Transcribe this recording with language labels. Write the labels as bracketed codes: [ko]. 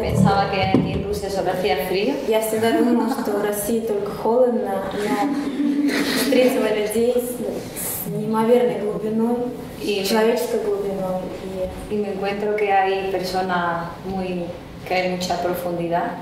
[es] pensaba que aquí en Rusia solo hacía frío. [ru] Я всегда думала, что в России только холодно, но встретила людей с неимоверной глубиной, с человеческой глубиной. [es] Y me encuentro que hay personas muy, que hay mucha profundidad.